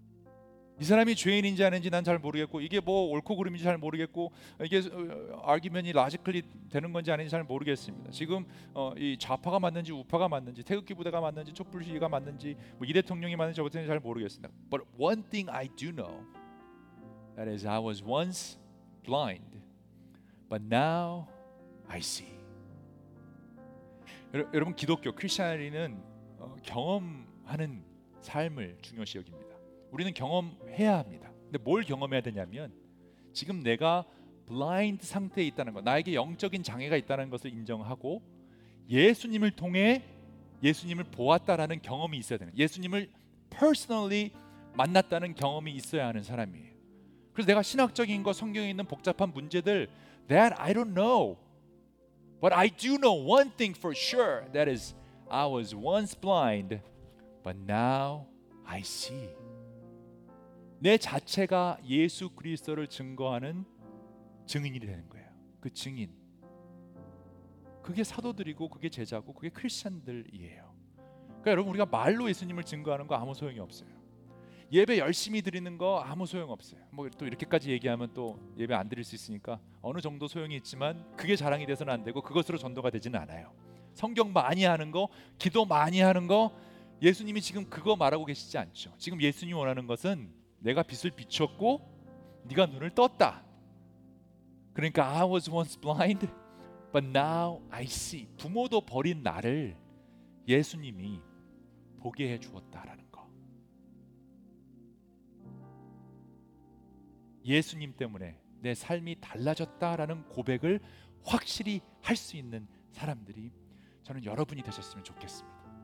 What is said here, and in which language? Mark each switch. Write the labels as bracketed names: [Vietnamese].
[Korean] 이 사람이 죄인인지 아닌지 난 잘 모르겠고 이게 뭐 옳고 그름인지 잘 모르겠고 이게 argument이 logically 되는 건지 아닌지 잘 모르겠습니다. 지금 이 좌파가 맞는지 우파가 맞는지 태극기 부대가 맞는지 촛불 시위가 맞는지 뭐 이 대통령이 맞는지 어떻게 잘 모르겠습니다. [English] But one thing I do know that is I was once blind but now I see. [Korean] 여러분 기독교 크리스천리는 경험하는 삶을 중요시 여깁니다. 우리는 경험해야 합니다. 근데 뭘 경험해야 되냐면 지금 내가 블라인드 상태에 있다는 것, 나에게 영적인 장애가 있다는 것을 인정하고 예수님을 통해 예수님을 보았다라는 경험이 있어야 되는, 예수님을 personally 만났다는 경험이 있어야 하는 사람이에요. 그래서 내가 신학적인 거, 성경에 있는 복잡한 문제들 [English] that I don't know, but I do know one thing for sure. That is, I was once blind, but now I see. [Korean] 내 자체가 예수 그리스도를 증거하는 증인이 되는 거예요. 그 증인. 그게 사도들이고 그게 제자고 그게 크리스천들이에요. 그러니까 여러분 우리가 말로 예수님을 증거하는 거 아무 소용이 없어요. 예배 열심히 드리는 거 아무 소용 없어요. 뭐 또 이렇게까지 얘기하면 또 예배 안 드릴 수 있으니까 어느 정도 소용이 있지만 그게 자랑이 돼서는 안 되고 그것으로 전도가 되지는 않아요. 성경 많이 하는 거, 기도 많이 하는 거, 예수님이 지금 그거 말하고 계시지 않죠. 지금 예수님 원하는 것은 내가 빛을 비췄고 네가 눈을 떴다. 그러니까 [English] I was once blind, but now I see. [Korean] 부모도 버린 나를 예수님이 보게 해 주었다라는 거. 예수님 때문에 내 삶이 달라졌다라는 고백을 확실히 할 수 있는 사람들이 저는 여러분이 되셨으면 좋겠습니다.